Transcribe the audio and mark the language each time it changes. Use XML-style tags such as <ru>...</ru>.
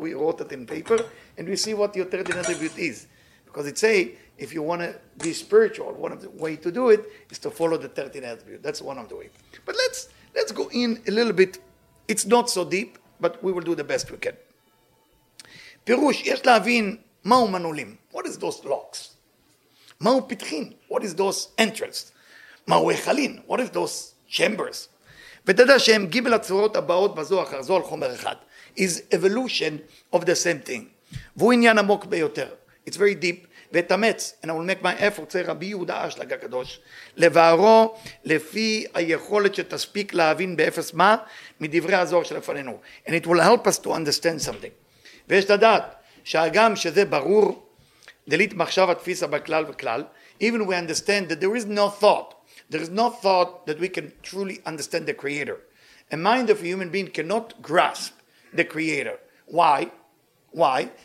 <en>We wrote it in paper, and we see what your 13 attribute is. Because it say, if you want to be spiritual, one of the way to do it is to follow the 13 attributes. That's one of the way. But let's go in a little bit. It's not so deep, but we will do the best we can.</en> <he>Pirush, יש להבין מהו מנעולים.</he> <en>What is those locks?</en> <he>מהו פתחים?</he> <en>What is those entrance?</en> <he>מהו היכלים?</he> <en>What is those chambers?</en> <he>ותדע שהם גימל הצורות הבאות בזו אחר זו על חומר אחד.</he> <en>Is evolution of the same thing.</en> <he>והוא עניין עמוק ביותר.</he> <en>It's very deep.</en> <he>ותאמץ,</he> <en>and I will make my effort,</en> <he>say רבי יהודה אשלג הקדוש, לבערו לפי היכולת שתספיק להבין באפס מה, מדברי הזוהר שלפנינו.</he> <en>And it will help us to understand something.</en> <he>ויש לדעת, שהגם שזה ברור, דלית מחשב התפיסה בכלל וכלל,</he> <en>even we understand that there is no thought that we can truly understand the creator. A mind of a human being cannot grasp the creator. Why? Why?</en>